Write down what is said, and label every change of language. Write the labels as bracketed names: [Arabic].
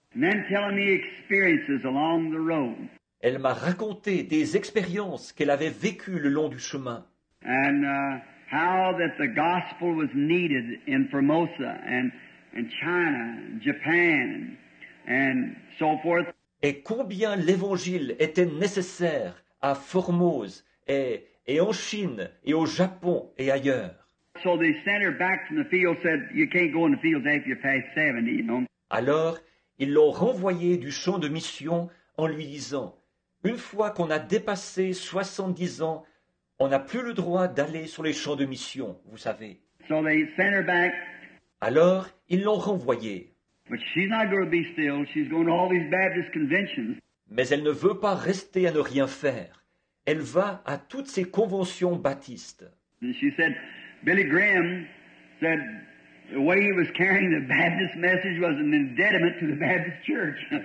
[English] And then telling me experiences along the road. [French] Elle m'a raconté des expériences qu'elle avait vécues le long du chemin. [English] And how that the gospel was needed in Formosa and China, Japan, and so forth. [French] Et combien l'évangile était nécessaire à Formose et en Chine et au Japon et ailleurs. [English] So they sent her back from the field, said, you can't go in the field after you're past 70, you know. [French] Alors, ils l'ont renvoyée du champ de mission en lui disant, une fois qu'on a dépassé 70 ans, on n'a plus le droit d'aller sur les champs de mission, vous savez. [English] So they sent her back. [French] Alors, ils l'ont renvoyée. [English] But she's not going to be still. She's going to all these Baptist conventions. [French] Mais elle ne veut pas rester à ne rien faire. Elle va à toutes ces conventions baptistes. [English] And she said, Billy Graham said the way he was carrying the Baptist message was an indebtedment to the Baptist Church.